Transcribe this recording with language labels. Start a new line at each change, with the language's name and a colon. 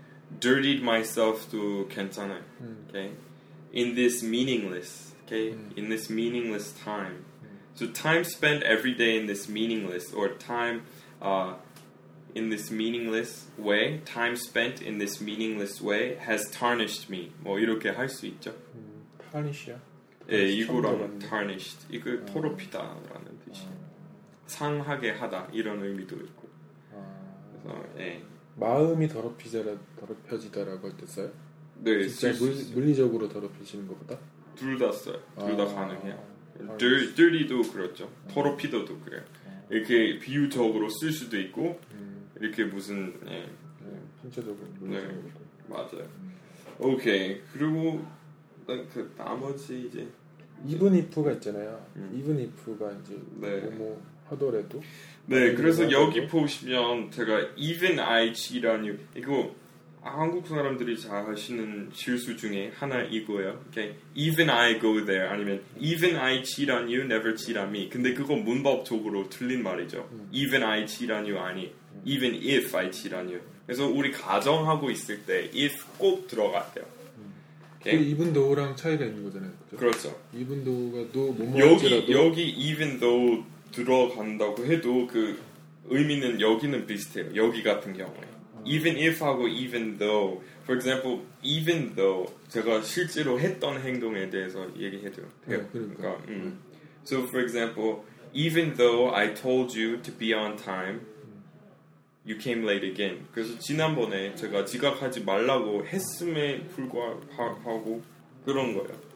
English: dirtied myself
Korean: 도 괜찮아.
English: Okay. In this meaningless, okay? In this meaningless time. So time spent every day in this meaningless or time in this meaningless way, time spent in this meaningless way has tarnished me.
Korean: 뭐 이렇게 할 수 있죠? Tarnish야. 예, 이거랑 tarnished. 이거 더럽히다라는 뜻이. 상하게 하다 이런 의미도 있고. 아. 그래서 예. 마음이 더럽히자라 더럽혀지다라고 했었어요? 네, 진짜 물리적으로 더럽히시는 것보다? 둘 다 써요. 둘 다 가능해요. dirty도 그렇죠. 더럽히다도 그래요. 이렇게 비유적으로 쓸 수도 있고 이렇게 무슨 예. 전체적으로 네, 맞아요. 오케이. 그리고 그 나머지 이제 even if가 있잖아요. even if가 이제 네. 뭐 하더라도 네, 그래서 여기 하더라도? 보시면 제가 even ich라는 이거 한국 사람들이 잘 하시는 실수 중에 하나 이거예요.
English: Okay. Even I go there 아니면 Even I cheat on you, never cheat on me.
Korean: 근데 그거 문법적으로 틀린 말이죠.
English: Even I cheat on you 아니 Even if I cheat on you.
Korean: 그래서 우리 가정하고 있을 때 if 꼭 들어갔대요. Okay. 그 even though랑 차이가 있는 거잖아요. 그렇죠. 그렇죠. Even though가 또 문법적으로 여기 even though 들어간다고 해도 그 의미는 여기는 비슷해요. 여기 같은 경우에. Even if 하고 even though,
English: for example,
Korean: even though 제가 실제로 했던 행동에 대해서 얘기해도 돼요. 네, 그러니까.
English: 그러니까 So for example, even though I told you to be on time, you came late again.
Korean: 그래서 지난번에 제가 지각하지 말라고 했음에 불구하고 그런 거예요.